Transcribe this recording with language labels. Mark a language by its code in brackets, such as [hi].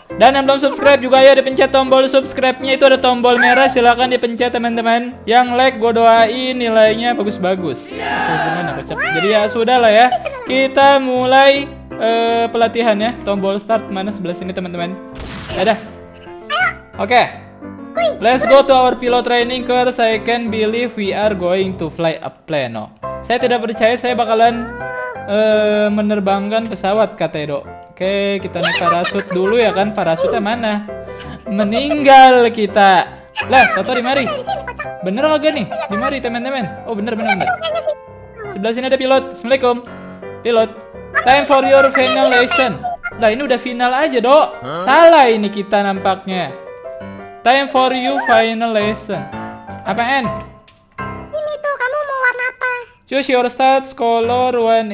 [id] Dan yang belum subscribe juga ya dipencet tombol subscribe-nya. Itu ada tombol merah, silahkan dipencet teman-teman. Yang lag gue doain nilainya bagus-bagus. Jadi ya sudahlah ya. Kita mulai pelatihannya. Tombol start mana sebelah sini teman-teman. Ada. Oke. Okay. [en] Let's go to our pilot training course. I can believe we are going to fly a plane. [id] Oh. Saya tidak percaya saya bakalan menerbangkan pesawat kata Edo. Oke, okay, kita naik parasut dulu ya kan. Parasutnya mana? Meninggal kita. Lah, Toto di mari. Bener enggak nih? Di mari teman-teman. Oh, bener. Sebelah sini ada pilot. Assalamualaikum. Pilot. [en] Time for your final lesson. [id] Nah ini udah final aja dok. Huh? Salah ini kita nampaknya. [en] Time for you final lesson. [id] Apaan? Ini tuh kamu mau warna apa? [en] Choose your stats color one.